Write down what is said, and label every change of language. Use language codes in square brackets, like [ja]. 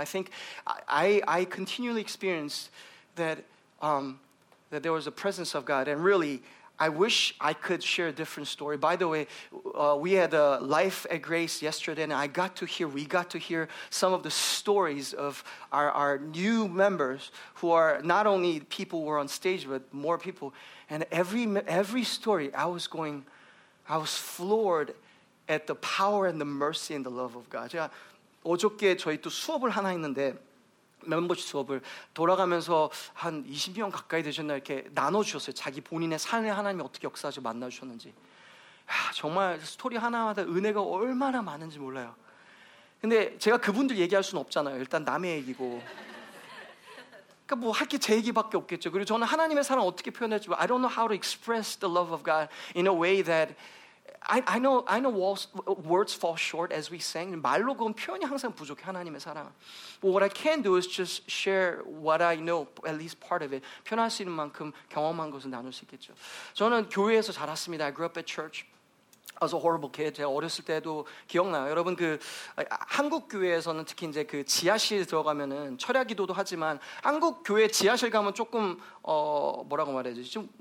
[en] I think I continually experienced that there was a presence of God. And really, I wish I could share a different story. By the way, we had a Life at Grace yesterday, and we got to hear some of the stories of our new members who are not only people who are on stage, but more people. And every story, I was floored at the power and the mercy and the love of God. [ko] 제가 어저께 저희 또 수업을 하나 했는데, 멤버십 수업을 돌아가면서 한 20명 가까이 되셨나 이렇게 나눠주셨어요. 자기 본인의 삶에 하나님이 어떻게 역사하시고 만나주셨는지. 야, 정말 스토리 하나마다 은혜가 얼마나 많은지 몰라요. 근데 제가 그분들 얘기할 수는 없잖아요. 일단 남의 얘기고. 그러니까 뭐 할 게 제 얘기밖에 없겠죠. 그리고 저는 하나님의 사랑 어떻게 표현할지 [en] I don't know how to express the love of God in a way that I know words fall short as we sing. [ko] 말로 그건 표현이 항상 부족해, 하나님의 사랑. [en] But what I can do is just share what I know, at least part of it. [ko] 표현할 수 있는 만큼 경험한 것을 나눌 수 있겠죠. 저는 교회에서 자랐습니다. [en] I grew up at church. I was a horrible kid. [ko] 제가 어렸을 때도 기억나요. 여러분 그 한국 교회에서는 특히 이제 그 지하실 들어가면은 철야 기도도 하지만 한국 교회 지하실 가면 조금 뭐라고 말해야 되지?